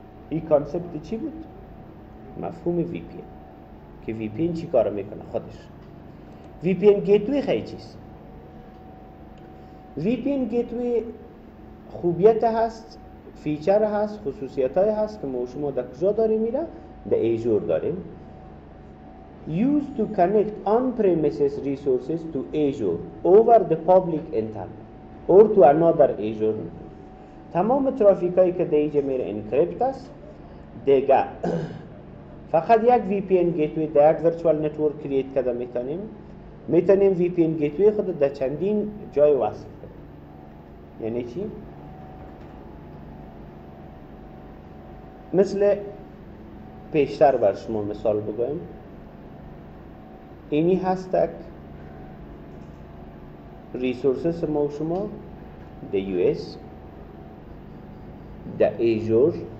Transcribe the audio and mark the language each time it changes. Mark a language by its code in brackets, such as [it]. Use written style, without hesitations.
[fa] این کانسپت چی بود؟ مفهوم وی پی ان. که وی پی ان چی کار میکنه خودش؟ وی پی ان گیتوی خیلی چیست؟ وی پی ان گیتوی خوبیت هست، فیچر هست، خصوصیت های هست که ما شما در کجا داریم میره؟ در ایجور داریم. [en] Used to connect on-premises resources to Azure over the public internet or to another Azure network. [fa] تمام ترافیک هایی که در ایجه میره انکریپت است. دیگه فقط یک وی پی ان گیتوی در یک ورچوال نتورک کریت کده میتونیم. میتونیم وی پی ان گیتوی خود در چندین جای وصل کنیم. یعنی چی؟ مثل پیشتر بر شما مثال بگویم، اینی هستک ریسورسس ما و شما در یو اس، در ایجور.